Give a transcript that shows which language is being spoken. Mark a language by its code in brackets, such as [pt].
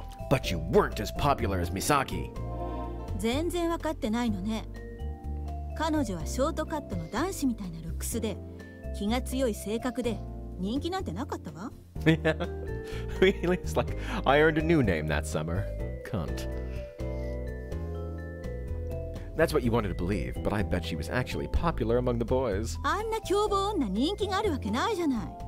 [en] But you weren't as popular as Misaki. [ja] 全然分かってないのね。彼女はショートカットの男子みたいなルックスで 気が強い性格で人気なんてなかったわ。 [en] Yeah, really, it's like, I earned a new name that summer. Cunt. That's what you wanted to believe, but I bet she was actually popular among the boys. [ja] あんな凶暴女人気があるわけないじゃない。